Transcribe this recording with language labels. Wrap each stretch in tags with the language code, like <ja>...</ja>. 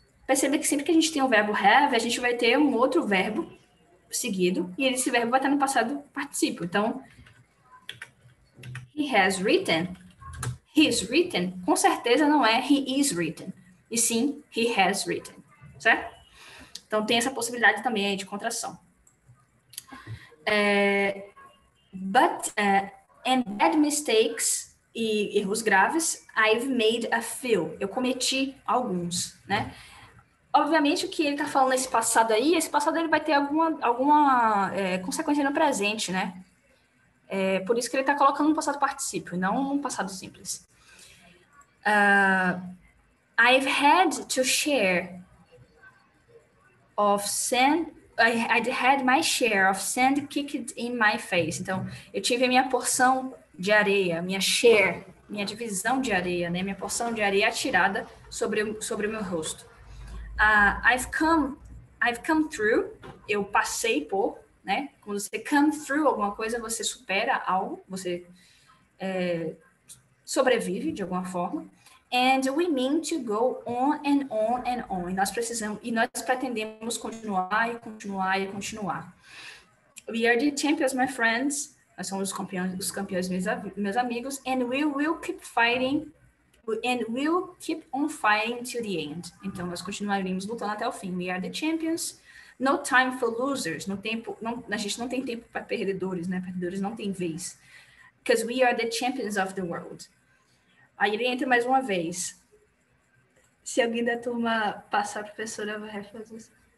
<pt>Perceba que sempre que a gente tem o verbo have, a gente vai ter um outro verbo seguido, e esse verbo vai estar no passado participio. Então,</pt> <en>he's written,</en> <pt>com certeza não é</pt> <en>he is written,</en> <pt>e sim</pt> <en>he has written,</en> <pt>certo? Então, tem essa possibilidade também aí de contração.</pt> <en>And bad mistakes</en> <pt>e erros graves,</pt> <en>I've made a few.</en> <pt>Eu cometi alguns, né? Obviamente, o que ele tá falando nesse passado aí, esse passado ele vai ter alguma consequência no presente, né? É, por isso que ele tá colocando um passado particípio, não um passado simples.</pt> <en>I've had to share of sand. I'd had my share of sand kicked in my face.</en> <pt>Então, eu tive a minha porção de areia, minha share, minha divisão de areia, né? Minha porção de areia atirada sobre o meu rosto.</pt> <en>I've come through,</en> <pt>eu passei por, né? Quando você</pt> <en>come through</en> <pt>alguma coisa, você supera algo, você sobrevive de alguma forma.</pt> <en>And we mean to go on and on and on.</en> <pt>E nós pretendemos continuar e continuar e continuar.</pt> <en>We are the champions, my friends.</en> <pt>Nós somos os campeões, meus amigos.</pt> <en>And we will keep fighting. And we'll keep on fighting till the end.</en> <pt>Então, nós continuaremos lutando até o fim.</pt> <en>We are the champions. No time for losers.</en> <pt>No tempo, não, a gente não tem tempo para perdedores, né? Perdedores não têm vez.</pt> <en>Because we are the champions of the world.</en> <pt>Aí ele entra mais uma vez. Se alguém da turma passar a professora, vai refazer isso.</pt>